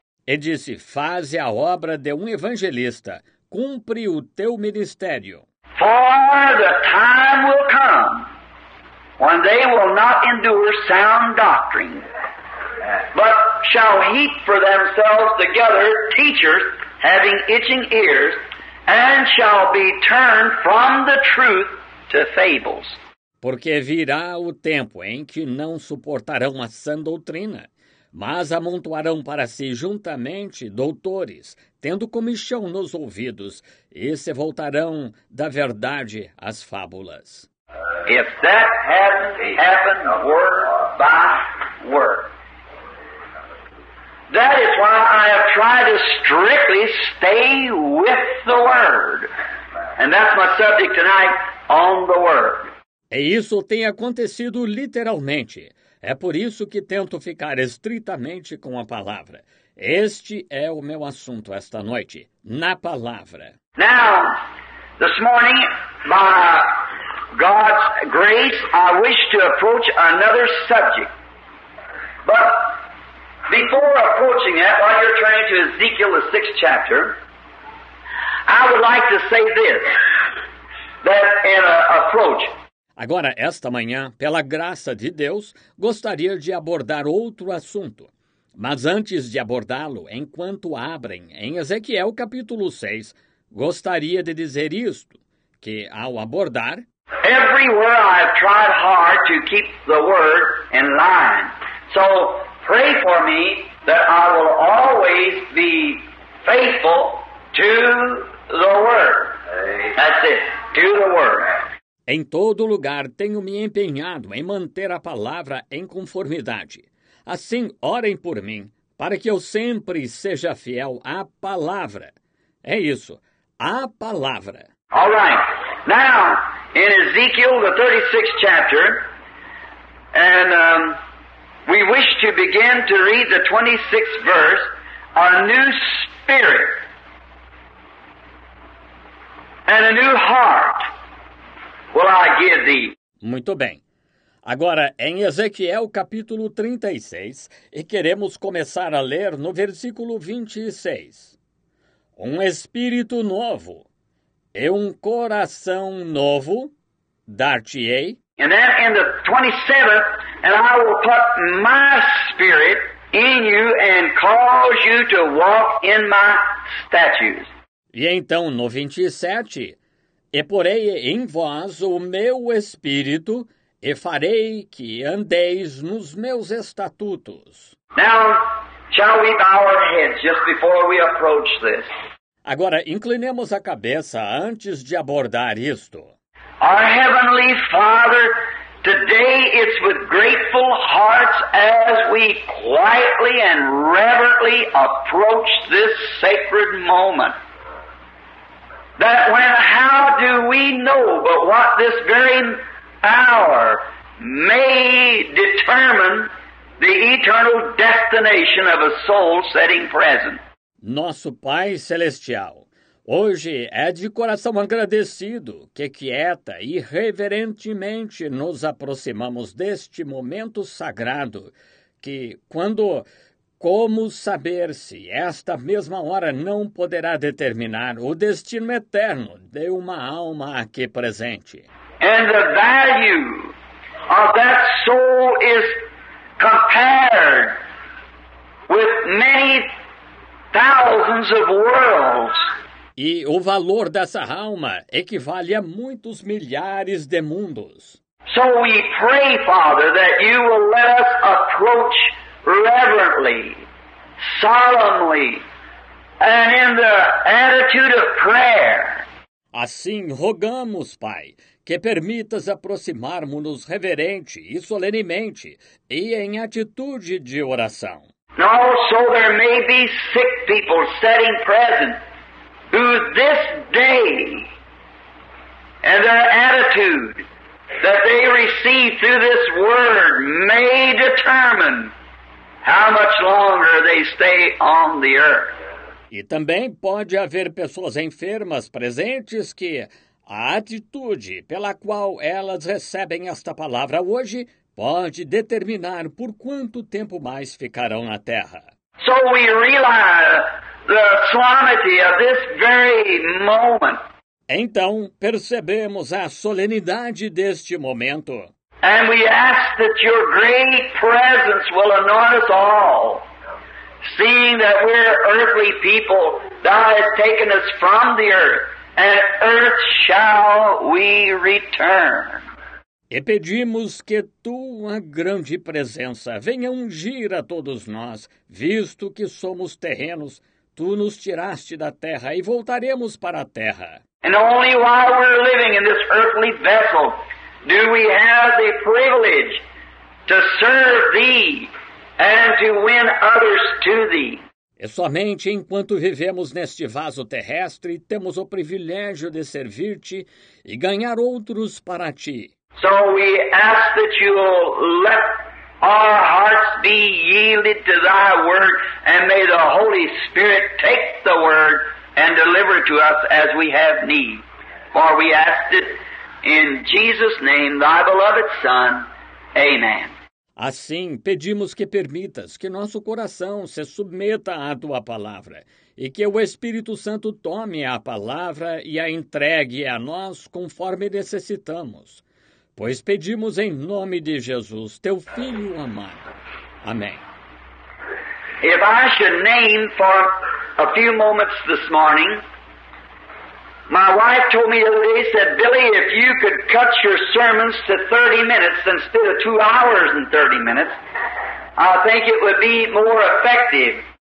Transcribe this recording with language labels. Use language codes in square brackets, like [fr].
[pt] E disse, faze a obra de um evangelista, cumpre o teu ministério. [en] For the time will come when they will not endure sound doctrine, but shall heap for themselves together teachers having itching ears, and shall be turned from the truth to fables. [pt] Porque virá o tempo em que não suportarão a sã doutrina, mas amontoarão para si juntamente doutores, tendo comichão nos ouvidos, e se voltarão da verdade às fábulas. [en] If that hadn't happened word by word, that is why I have tried to strictly stay with the Word. And that's my subject tonight, on the Word. [pt] E isso tem acontecido literalmente. É por isso que tento ficar estritamente com a palavra. Este é o meu assunto esta noite, na palavra. [en] Now, this morning, by God's grace, I wish to approach another subject. But before approaching that, while you're turning to Ezekiel, the 6th chapter, I would like to say this, that in an approach. [pt] Agora, esta manhã, pela graça de Deus, gostaria de abordar outro assunto. Mas antes de abordá-lo, enquanto abrem em Ezequiel capítulo 6, gostaria de dizer isto, que ao abordar... [en] Everywhere I have tried hard to keep the word in line. So pray for me that I will always be faithful to the word. That's it. To the word. [pt] Em todo lugar tenho me empenhado em manter a palavra em conformidade. Assim, orem por mim, para que eu sempre seja fiel à palavra. É isso, à palavra. [en] All right. Now, in Ezekiel, the 36th chapter, and we wish to begin to read the 26th verse, a new spirit and a new heart will I give thee. [pt] Muito bem. Agora, em Ezequiel, capítulo 36, e queremos começar a ler no versículo 26. Um espírito novo e um coração novo dar-te-ei. [en] And then in the 27th, and I will put my spirit in you and cause you to walk in my statutes. [pt] E então, no 27, e porei em vós o meu espírito... E farei que andeis nos meus estatutos. [en] Now, shall we bow our heads just before we approach this? [pt] Agora, inclinemos a cabeça antes de abordar isto. [en] Our Heavenly Father, today it's with grateful hearts as we quietly and reverently approach this sacred moment. That when, how do we know but what this very hour may determine the eternal destination of a soul sitting present. [pt] Nosso Pai Celestial, hoje é de coração agradecido que quieta e reverentemente nos aproximamos deste momento sagrado que, quando, como saber se esta mesma hora não poderá determinar o destino eterno de uma alma aqui presente? [en] And the value of that soul is compared with many thousands of worlds. [pt] E o valor dessa alma equivale a muitos milhares de mundos. [en] So we pray, Father, that you will let us approach reverently, solemnly, and in the attitude of prayer. [pt] Assim rogamos, Pai, que permitas aproximarmos-nos reverente e solenemente e em atitude de oração. [en] Also, there may be sick people sitting present who this day and their attitude that they receive through this word may determine how much longer they stay on the earth. [pt] E também pode haver pessoas enfermas presentes que a atitude pela qual elas recebem esta palavra hoje pode determinar por quanto tempo mais ficarão na Terra. [en] So we realize the solemnity of this very moment. [pt] Então, percebemos a solenidade deste momento. [en] And we ask that your great presence will anoint us all. Seeing that we're earthly people, thou hast taken us from the earth, and earth shall we return. [pt] E pedimos que tua grande presença venha ungir a todos nós, visto que somos terrenos, tu nos tiraste da terra e voltaremos para a terra. [en] And only while we're living in this earthly vessel do we have the privilege to serve thee. And to win others to thee. [pt] E somente enquanto vivemos neste vaso terrestre, temos o privilégio de servir-te e ganhar outros para ti. [en] So we ask that you'll let our hearts be yielded to thy word, and may the Holy Spirit take the word and deliver to us as we have need. For we ask it In Jesus' name, thy beloved Son. Amen. [pt] Assim, pedimos que permitas que nosso coração se submeta à tua palavra e que o Espírito Santo tome a palavra e a entregue a nós conforme necessitamos. Pois pedimos em nome de Jesus, teu Filho amado. Amém. [en] If I should name for a few moments this morning, my wife told me the other day, said, Billy, if you could cut your sermons to 30 minutes instead of 2 hours and 30 minutes, I think it would be more effective.